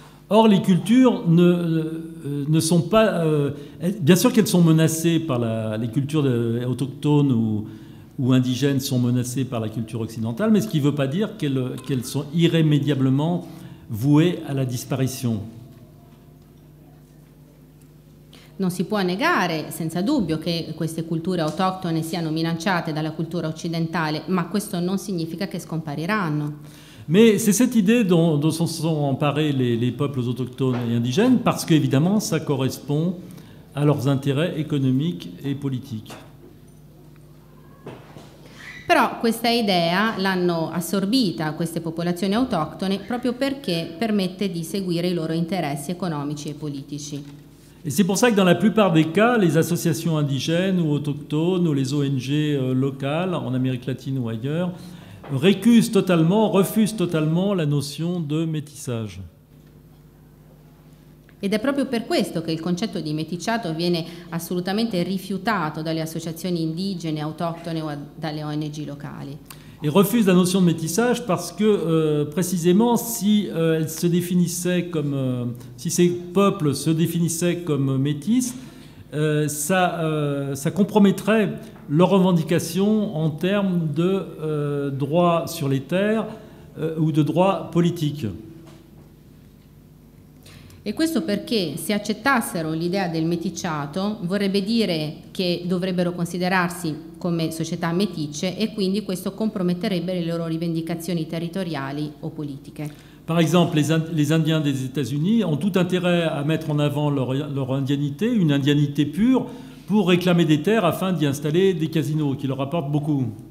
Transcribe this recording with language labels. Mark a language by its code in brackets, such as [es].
[fr] Or, les cultures ne sont pas. Bien sûr qu'elles sont menacées par les cultures autochtones ou indigènes sont menacées par la culture occidentale, mais ce qui ne veut pas dire qu'elles sont irrémédiablement vouées à la disparition. [it] Non si può negare, senza dubbio, che queste culture autoctone siano minacciate dalla cultura occidentale, ma questo non significa che scompariranno. [fr] Mais c'est cette idée dont se sont emparés les peuples autochtones et indigènes, parce qu'évidemment ça correspond à leurs intérêts économiques et politiques. [it] Però questa idea l'hanno assorbita queste popolazioni autoctone proprio perché permette di seguire i loro interessi economici e politici. [fr] Et c'est pour ça que dans la plupart des cas, les associations indigènes ou autochtones ou les ONG locales en Amérique latine ou ailleurs refusent totalement la notion de métissage. [it] Ed è proprio per questo che il concetto di meticciato viene assolutamente rifiutato dalle associazioni indigene, autoctone o dalle ONG locali. [fr] Et refusent la notion de métissage parce que précisément si elle se définissait comme si ces peuples se définissaient comme métis, ça compromettrait leurs revendications en termes de droits sur les terres ou de droits politiques. [it] E questo perché se accettassero l'idea del meticciato vorrebbe dire che dovrebbero considerarsi come società meticce e quindi questo comprometterebbe le loro rivendicazioni territoriali o politiche. [fr] Par exemple, les Indiens des États-Unis ont tout intérêt à mettre en avant leur indianité, une indianité pure, pour réclamer des terres afin d'y installer des casinos qui leur apportent beaucoup.